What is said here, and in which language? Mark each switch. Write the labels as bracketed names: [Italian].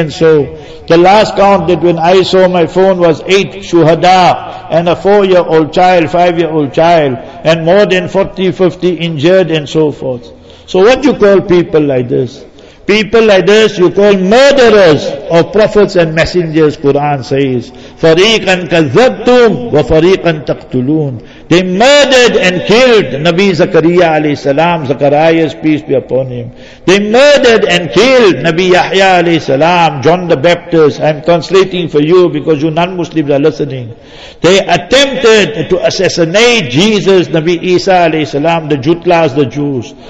[English] And so the last count that when I saw my phone was 8 shuhada and a 4-year-old child, 5-year-old child, and more than 40-50 injured and so forth. So what do you call people like this? People like this you call murderers of prophets and messengers. Quran says, [Arabic] فَرِيقًا كَذَّبْتُمْ وَفَرِيقًا تَقْتُلُونَ. [English] They murdered and killed Nabi Zakariya alayhi salam, Zacharias, peace be upon him. They murdered and killed Nabi Yahya alayhi salam, John the Baptist. I'm translating for you because you non-Muslims are listening. They attempted to assassinate Jesus, Nabi Isa alayhi salam, the Jutlas, the Jews.